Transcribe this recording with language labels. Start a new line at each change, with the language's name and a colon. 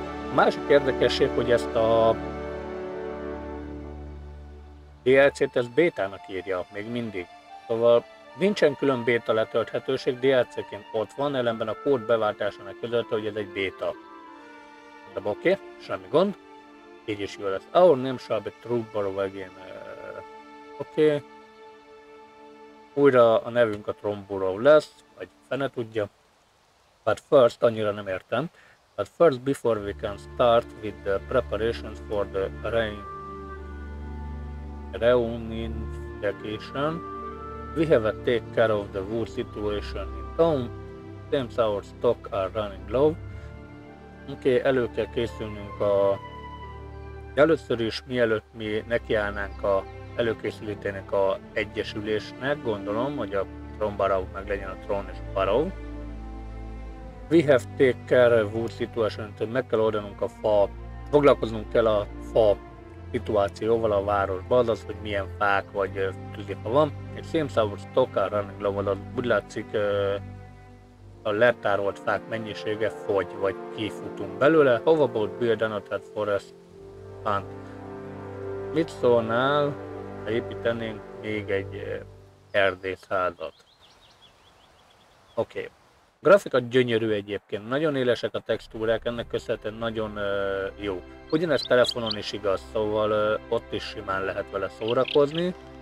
Hungarian: A másik érdekesség, hogy ezt a DLC-t, ezt bétának írja még mindig, szóval nincsen külön béta letölthetőség, DLC-ként ott van, ellenben a kód beváltásának közölte, hogy ez egy béta. De oké, semmi gond, így is jó lesz.
English: Our name shall be Trumbarov again.
Hungarian: Oké. Újra a nevünk a Trumbarov lesz, vagy fene tudja.
English: But first,
Hungarian: annyira nem értem.
English: But first, before we can start with the preparations for the reunification, we have to take care of the war situation in town, since our stock are running low.
Hungarian: Oké, elő kell készülnünk a... Először is, mielőtt mi nekiállnánk a előkészülítének a egyesülésnek, gondolom, hogy a Trombarov meg legyen a Trón és a Barov.
English: We have to take care of the war situation,
Hungarian: tehát meg kell oldanunk a fa... Foglalkoznunk kell a fa szituációval a városban, az, hogy milyen fák vagy tűzifa van. Egy szémszávú stokára, amikor úgy látszik a letárolt fák mennyisége fogy, vagy kifutunk belőle.
English: How about build another forest plant?
Hungarian: Mit szólnál, ha építenénk még egy erdészházat? Oké. A grafika gyönyörű egyébként, nagyon élesek a textúrák, ennek köszönhetően nagyon jó. Ugyanez telefonon is igaz, szóval ott is simán lehet vele szórakozni.